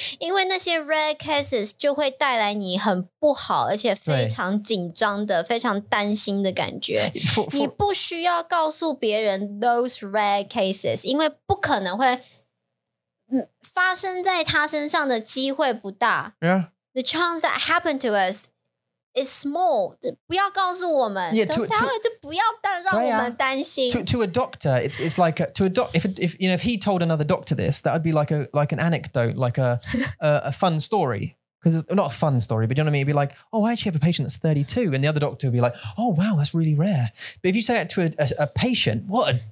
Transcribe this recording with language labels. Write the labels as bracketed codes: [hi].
[zh] 因为那些 [en] rare cases [zh] 就会带来你很不好而且非常紧张的非常担心的感觉。你不需要告诉别人 [en] those rare cases, [zh] 因为不可能会发生在他身上的机会不大。 [en] Yeah. The chance that happened to us,It's small. [zh] 不要告诉我们 [en] yeah, [zh] to, 才会就不要让我们担心 [en] To a doctor, it's like a, to a doc, if you know if he told another doctor this, that would be like an anecdote, like a fun story. Because it's not a fun story, but you know what I mean? It'd be like, oh, I actually have a patient that's 32, and the other doctor would be like, oh, wow, that's really rare. But if you say that to a patient, what a